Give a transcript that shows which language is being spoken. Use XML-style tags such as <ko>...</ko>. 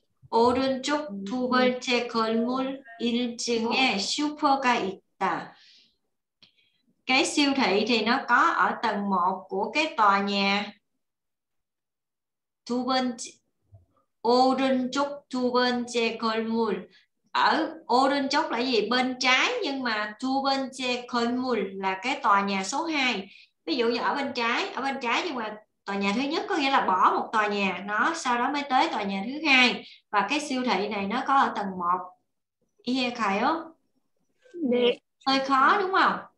<ko>오른쪽 두 번째 건물 1층에 슈퍼가 있다.</ko> <vi>Cái siêu thị thì nó có ở tầng 1 của cái tòa nhà.</vi> <ko>두 번째 오른쪽 두 번째 건물.</ko> <vi>Ở 오른쪽 là gì? Bên trái, nhưng mà</vi> <ko>두 번째 건물</ko> <vi>là cái tòa nhà số 2. Ví dụ như ở bên trái nhưng mà tòa nhà thứ nhất, có nghĩa là bỏ một tòa nhà nó sau đó mới tới tòa nhà thứ hai, và cái siêu thị này nó có ở tầng 1. Ihe khai o? Hơi khó đúng không?</vi>